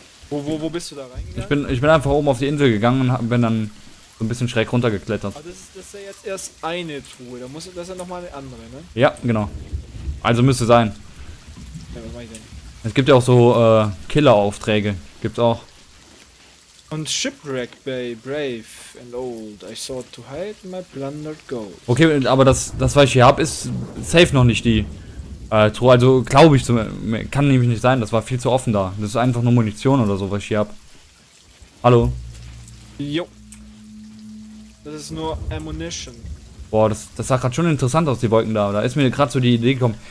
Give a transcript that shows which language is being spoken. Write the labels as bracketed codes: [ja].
[de] Wo bist du da reingegangen? Ich bin einfach oben auf die Insel gegangen und bin dann so ein bisschen schräg runtergeklettert. Aber das ist ja jetzt erst eine Truhe, da muss das ja nochmal eine andere, ne? Ja, genau. Also müsste sein. Ja, was mach ich denn? Es gibt ja auch so Killer-Aufträge. Gibt's auch. [en] Und Shipwreck Bay, brave and old, I sought to hide my plundered gold. [de] Okay, aber das was ich hier hab, ist safe noch nicht die. Also glaube ich, kann nämlich nicht sein, das war viel zu offen da. Das ist einfach nur Munition oder so, was ich hier hab. Hallo? Jo. Das ist nur Ammunition. Boah, das sah gerade schon interessant aus, die Wolken da. Da ist mir gerade so die Idee gekommen.